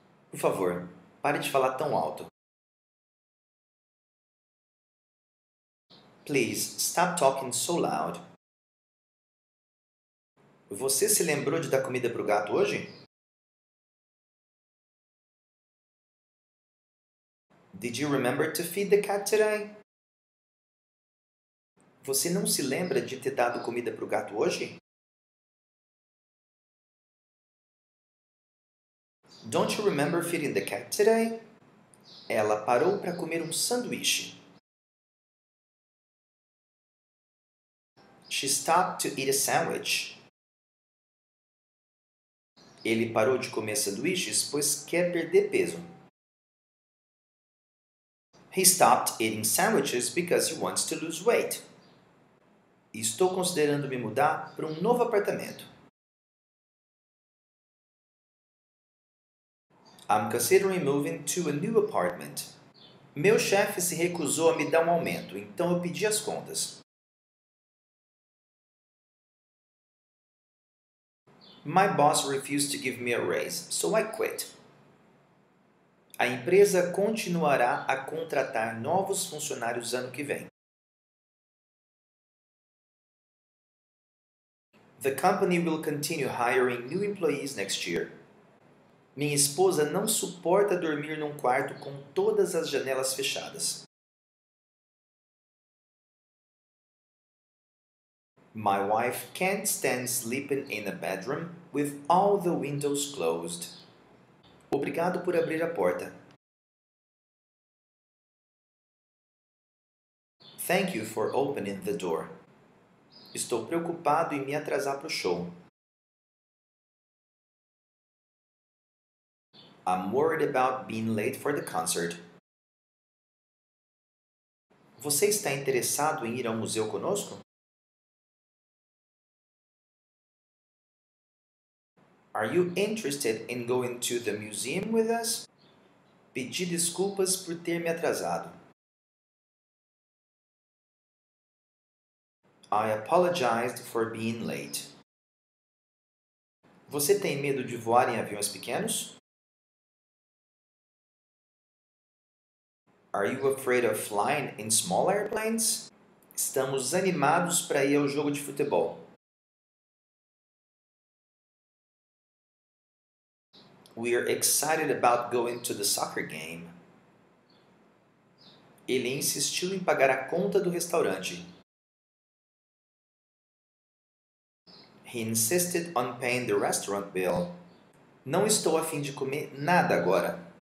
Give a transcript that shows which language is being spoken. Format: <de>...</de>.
<pt>Por favor, pare de falar tão alto.</pt> <en>Please, stop talking so loud.</en> <pt>Você se lembrou de dar comida pro gato hoje?</pt> <en>Did you remember to feed the cat today?</en> <pt>Você não se lembra de ter dado comida pro gato hoje?</pt> <en>Don't you remember feeding the cat today?</en> <pt>Ela parou para comer um sanduíche.</pt> <en>She stopped to eat a sandwich.</en> <pt>Ele parou de comer sanduíches pois quer perder peso.</pt> <en>He stopped eating sandwiches because he wants to lose weight.</en> <pt>Estou considerando me mudar para um novo apartamento.</pt> <en>I'm considering moving to a new apartment.</en> <pt>Meu chefe se recusou a me dar um aumento, então eu pedi as contas.</pt> <en>My boss refused to give me a raise, so I quit.</en> <pt>A empresa continuará a contratar novos funcionários ano que vem.</pt> <en>The company will continue hiring new employees next year.</en> <pt>Minha esposa não suporta dormir num quarto com todas as janelas fechadas.</pt> <en>My wife can't stand sleeping in a bedroom with all the windows closed.</en> <pt>Obrigado por abrir a porta.</pt> <en>Thank you for opening the door.</en> <pt>Estou preocupado em me atrasar para o show.</pt> <en>I'm worried about being late for the concert.</en> <pt>Você está interessado em ir ao museu conosco?</pt> <en>Are you interested in going to the museum with us?</en> <pt>Pedi desculpas por ter me atrasado.</pt> <en>I apologized for being late.</en> <pt>Você tem medo de voar em aviões pequenos?</pt> <en>Are you afraid of flying in small airplanes?</en> <pt>Estamos animados para ir ao jogo de futebol.</pt> <en>We are excited about going to the soccer game.</en> <pt>Ele insistiu em pagar a conta do restaurante.</pt> <en>He insisted on paying the restaurant bill.</en> <pt>Não estou a fim de comer nada agora.</pt>